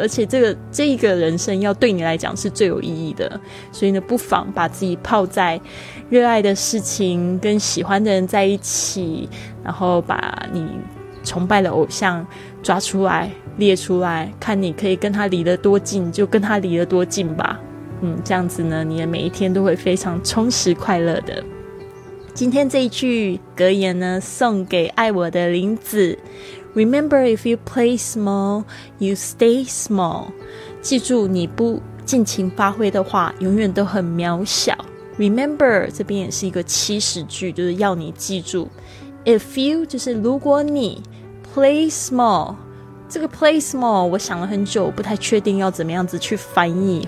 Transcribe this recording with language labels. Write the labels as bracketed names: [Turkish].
[Chinese] 而且这个人生要对你来讲是最有意义的，所以呢，不妨把自己泡在热爱的事情跟喜欢的人在一起，然后把你崇拜的偶像抓出来列出来，看你可以跟他离得多近就跟他离得多近吧。嗯，这样子呢，你的每一天都会非常充实快乐的。今天这一句格言呢，送给爱我的林子。 [English] Remember, if you play small, you stay small. [Chinese] 记住，你不尽情发挥的话，永远都很渺小。 Remember, 这边也是一个祈使句，就是要你记住。 [English] If you, [Chinese] 就是如果你 play small, 这个 play small, 我想了很久，不太确定要怎么样子去翻译。